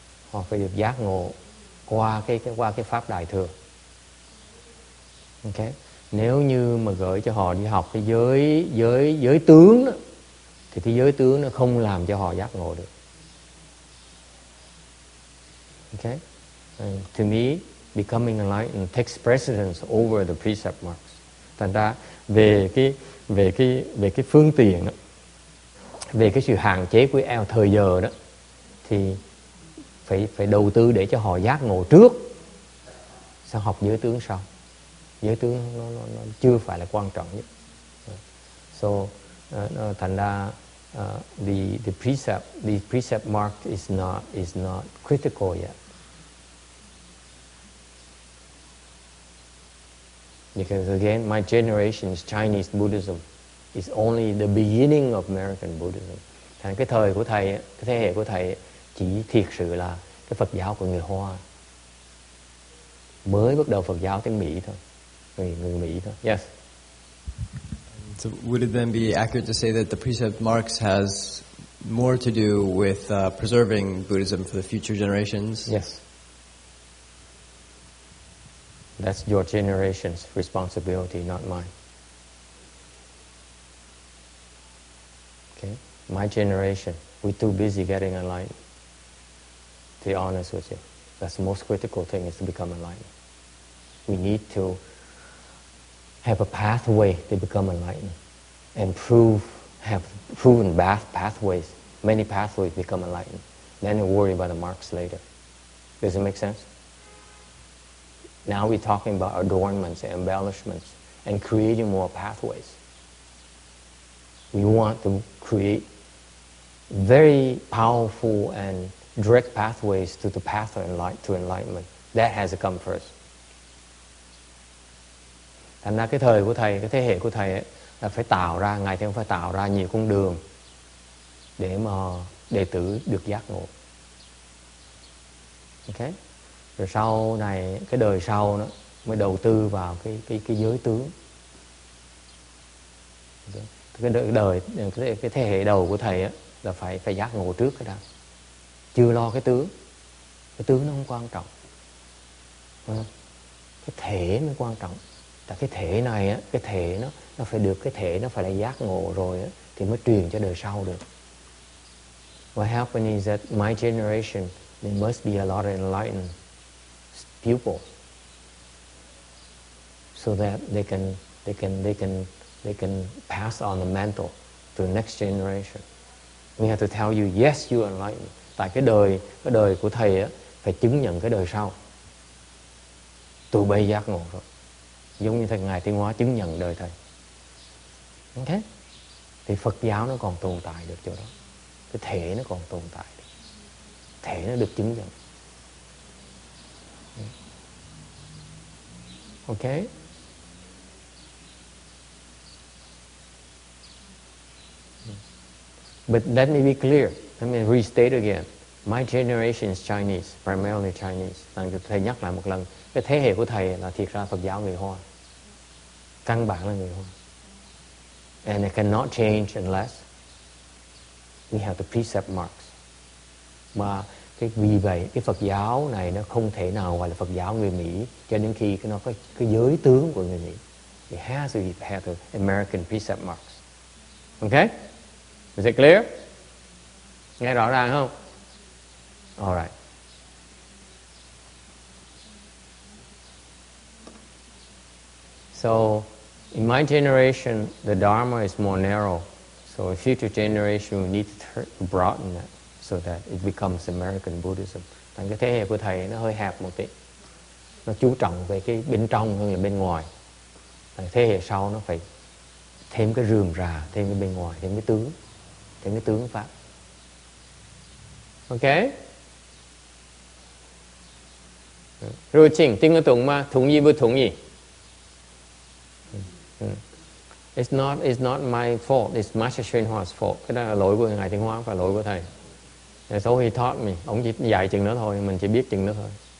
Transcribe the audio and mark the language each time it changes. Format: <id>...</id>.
<vi>Họ phải được giác ngộ qua cái pháp đại thừa. Ok, nếu như mà gửi cho họ đi học cái giới tướng đó, thì cái giới tướng nó không làm cho họ giác ngộ được.</vi> <en>Okay. To me, becoming enlightened takes precedence over the precept marks.</en> <vi>Thành ra về cái phương tiện đó, về cái sự hạn chế của eo thời giờ đó, thì phải đầu tư để cho họ giác ngộ trước, sau học giới tướng sau. Giới tướng nó chưa phải là quan trọng nhất.</vi> <en>So</en> <vi>thành ra</vi> <en>the precept mark is not critical yet. Because again, my generation is Chinese Buddhism. It's only the beginning of American Buddhism.</en> <vi>Thành cái thời của thầy, cái thế hệ của thầy chỉ thiệt sự là cái Phật giáo của người Hoa. Mới bắt đầu Phật giáo tiếng Mỹ thôi. Người Mỹ thôi.</vi> <en>Yes. So would it then be accurate to say that the precept marks has more to do with preserving Buddhism for the future generations? Yes. That's your generation's responsibility, not mine. Okay? My generation, we're too busy getting enlightened. To be honest with you, that's the most critical thing, is to become enlightened. We need to have a pathway to become enlightened and have proven pathways, many pathways to become enlightened. Then you worry about the marks later. Does it make sense? Now we're talking about adornments and embellishments and creating more pathways. We want to create very powerful and direct pathways to the path of to enlightenment. That has to come first.</en> <vi>Thành ra cái thời của thầy, cái thế hệ của thầy ấy, là phải tạo ra, ngài thầy phải tạo ra nhiều con đường để mà đệ tử được giác ngộ. Okay. Rồi sau này, cái đời sau đó, mới đầu tư vào cái giới tướng. Cái đời, cái thế hệ đầu của thầy á, là phải giác ngộ trước cái đó. Chưa lo cái tướng. Cái tướng nó không quan trọng. Cái thể mới quan trọng. Tại cái thể này á, cái thể nó phải được, cái thể nó phải là giác ngộ rồi á, thì mới truyền cho đời sau được.</vi> <en>What happened is that my generation, there must be a lot of enlightened pupils, so that they can pass on the mantle to the next generation. We have to tell you, yes, you are enlightened.</en> <vi>Tại cái đời của thầy á, phải chứng nhận cái đời sau. Tụi bây giác ngộ rồi. giống như thầy ngài Tiên Hóa chứng nhận đời thầy. Ok, thì Phật giáo nó còn tồn tại được chỗ đó, cái thể nó còn tồn tại được, thể nó được chứng nhận.</vi> <en>Ok. But let me be clear. Let me restate again. My generation is Chinese, primarily Chinese.</en> <vi>Nên thầy nhắc lại một lần, cái thế hệ của thầy là thiệt ra Phật giáo người Hoa, căn bản là người Hoa.</vi> <en>And it cannot change unless we have the precept marks.</en> <vi>Mà cái vì vậy cái Phật giáo này nó không thể nào gọi là Phật giáo người Mỹ cho đến khi nó có cái giới tướng của người Mỹ.</vi> <en>It has to have the American precept marks. Okay? Is it clear?</en> <vi>Nghe rõ ràng không?</vi> <en>All right. So, in my generation, the Dharma is more narrow. So, in future generation, we need to broaden it so that it becomes American Buddhism.</en> <vi>Thành cái thế hệ của thầy nó hơi hẹp một tí. Nó chú trọng về cái bên trong hơn là bên ngoài. Thành thế hệ sau nó phải thêm cái rườm rà, thêm cái bên ngoài, thêm cái tướng. Thêm cái tướng Pháp. Ok? Rồi chính, tiếng có thủng mà, thủng gì với thủng gì?</vi> <en>It's not my fault, it's Master Xuyên Hoa's fault.</en> <vi>Cái đó là lỗi của Ngài Tiên Hóa, phải lỗi của Thầy.</vi> <en>That's all he taught me.</en> <vi>Ông chỉ dạy chừng đó thôi, mình chỉ biết chừng đó thôi.</vi>